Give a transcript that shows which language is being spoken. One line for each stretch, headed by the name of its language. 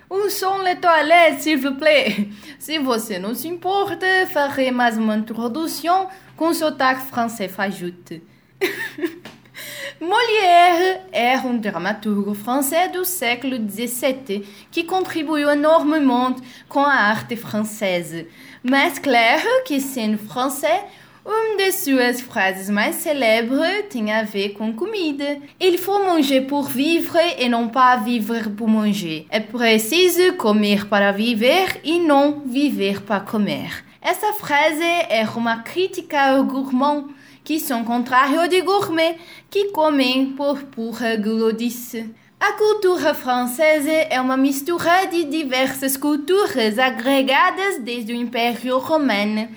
French: Où sont les toilettes, s'il vous plaît?
Portuguese: Si você não se importa, farei mais uma introdução com sotaque français fajoute. Molière era dramaturgo francês do século XVII que contribuiu enormemente com a arte francesa. Mas claro que, sendo francês, uma de suas frases mais célebres tem a ver com comida.
French: Il faut manger pour vivre et non pas vivre pour manger.
Portuguese: É preciso comer para viver e não viver para comer. Essa frase é uma crítica aos gourmands, que são contrários de gourmet, que comem por pura gulodice. A cultura francesa é uma mistura de diversas culturas agregadas desde o Império Romano.